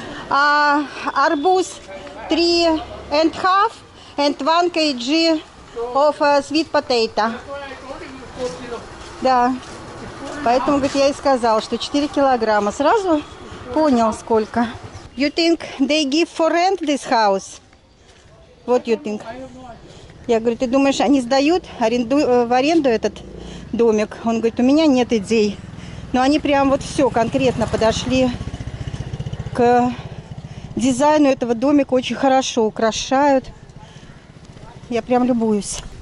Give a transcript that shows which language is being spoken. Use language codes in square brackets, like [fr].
[ru] А арбуз [en] 3 and half and 1 kg of sweet potato. [ru] Да. Поэтому, говорит, я и сказала, что 4 килограмма. Сразу понял, сколько. [en] You think they give for rent this house? What you think? [ru] Я говорю, ты думаешь, они сдают в аренду этот домик? Он говорит, у меня нет идей. Но они прям вот все конкретно подошли к дизайну этого домика. Очень хорошо украшают. Я прям любуюсь.